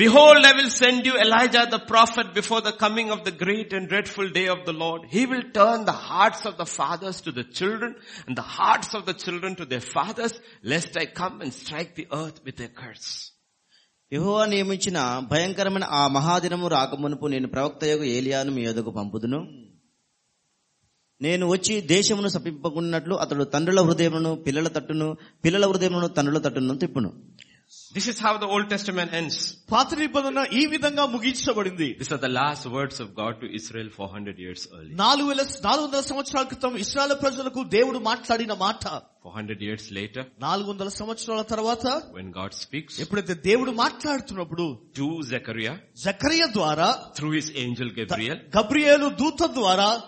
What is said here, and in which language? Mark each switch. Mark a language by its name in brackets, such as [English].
[English] Behold, I will send you Elijah the prophet before the coming of the great and dreadful day of the Lord. He will turn the hearts of the fathers to the children and the hearts of the children to their fathers, lest I come and strike the earth with a curse. [Telugu] యెహోవా నియమించిన భయంకరమైన ఆ మహాదినము రాకమునుపు నేను ప్రవక్తయగు ఏలియాను మీ యొద్దకు పంపుదును. నేను వచ్చి దేశమును శపింపకున్నట్లు అతడు తండ్రుల హృదయమును పిల్లల తట్టును, పిల్లల హృదయమును తండ్రుల తట్టును తిప్పును. [English] This is how the Old Testament ends. [Telugu] పాత్రిబదన ఈ విధంగా ముగించబడింది. [English] These are the last words of God to Israel 400 years early. [Telugu] 400 సంవత్సరాల క్రితం ఇశ్రాయేల్ ప్రజలకు దేవుడు మాట్లాడిన మాట. [English] 400 years later, [Telugu] 400 సంవత్సరాల తర్వాత, [English] when God speaks, [Telugu] ఎప్పుడైతే దేవుడు మాట్లాడుతున్నప్పుడు, [English] to Zechariah, [Telugu] జకరియా ద్వారా, [English] through his angel Gabriel, [Telugu] Gabriel దూత ద్వారా,